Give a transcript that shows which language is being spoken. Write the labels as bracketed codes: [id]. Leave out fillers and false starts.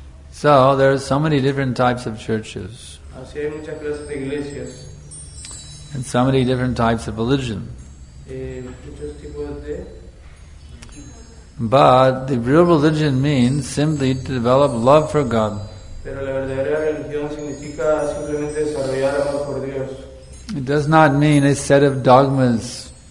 [en] So, there are so many different types of churches. [es] Así hay muchas clases de iglesias. [en] And so many different types of religion. [es] Muchos tipos de... [en] But the real religion means simply to develop love for God. [es] Pero la verdadera religión significa simplemente desarrollar amor por Dios. [en] It does not mean a set of dogmas.